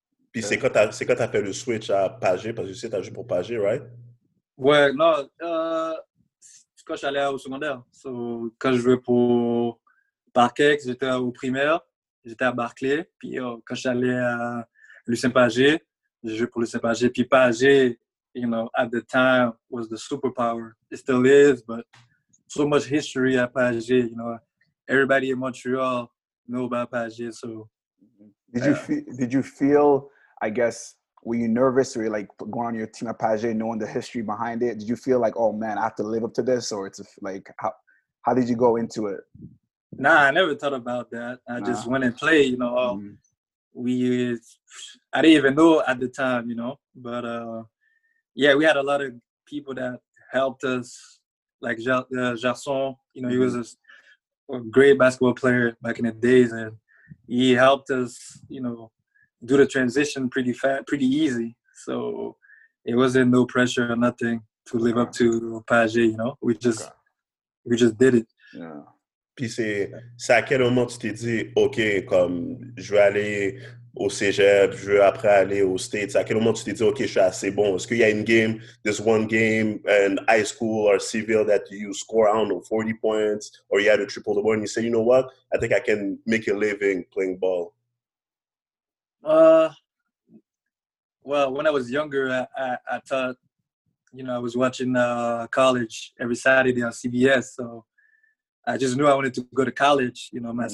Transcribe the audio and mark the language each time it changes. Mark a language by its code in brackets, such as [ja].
[fr] Puis c'est quand t'as fait le switch à Paget? Parce que tu sais, t'as joué pour Paget, right? Ouais, non, quand j'allais au secondaire. So, quand je jouais pour Parquet, j'étais au primaire, j'étais à Barclay. Puis quand j'allais à Lucien Pagé, je jouais pour Lucien Pagé. [en] Puis Pagé, you know, at the time, was the superpower. It still is, but so much history at Pagé. You know, everybody in Montreal knows about Pagé. So, did you feel, I guess, were you nervous or like going on your team at Pagé, knowing the history behind it? Did you feel like, oh man, I have to live up to this? Or it's like, how did you go into it? Nah, I never thought about that. I just went and played, you know. Mm-hmm. I didn't even know at the time, you know. But yeah, we had a lot of people that helped us, like Gerson, you know, mm-hmm. He was a great basketball player back in the days, and he helped us, you know, do the transition pretty easy. So it wasn't no pressure or nothing to live up to Pagé, you know. We just did it. Yeah. [fr] Puis c'est à quel moment tu t'es dit, OK, comme je vais aller au Cégep, je veux après aller aux States. À quel moment tu t'es dit, OK, je suis assez bon. Est-ce qu'il y a une game, [en] this one game in high school or civil that you score, I don't know, 40 points, or you had a triple double, and you say, you know what, I think I can make a living playing ball? Well, when I was younger, I thought, you know, I was watching college every Saturday on CBS, so I just knew I wanted to go to college. You know, my mm-hmm.